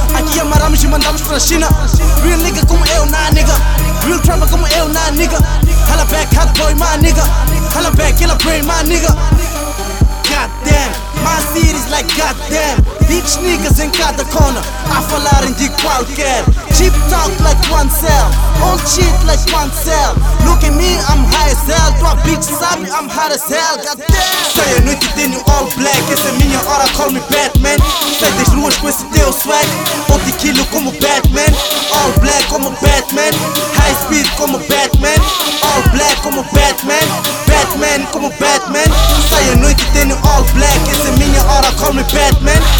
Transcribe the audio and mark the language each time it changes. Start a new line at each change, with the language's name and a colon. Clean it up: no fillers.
Portuguese: Aqui amaramos e mandamos pra China.
English: Real nigga
Portuguese: como eu, na nigga.
English: Real trauma como eu, na nigga. Hella back, hot boy, my nigga. Hella back, killer brain, my nigga. God damn, my city's like god damn. Bitch niggas
Portuguese: em cada corner a falarem de qualquer.
English: Cheap talk like one cell. All cheat like one cell. Look at me, I'm high as hell.
Portuguese: Tua bitch sabe,
English: I'm hot as hell. God damn.
Portuguese: Sai a noite e tenho
English: all black.
Portuguese: Essa é minha hora,
English: call me Batman.
Portuguese: Sai das ruas com esse teu swag. Ou de quilo como Batman.
English: All black
Portuguese: como Batman.
English: High speed como Batman. All black como Batman. Batman como Batman.
Portuguese: Sai a noite e tenho
English: all black.
Portuguese: Essa é minha hora,
English: call me Batman.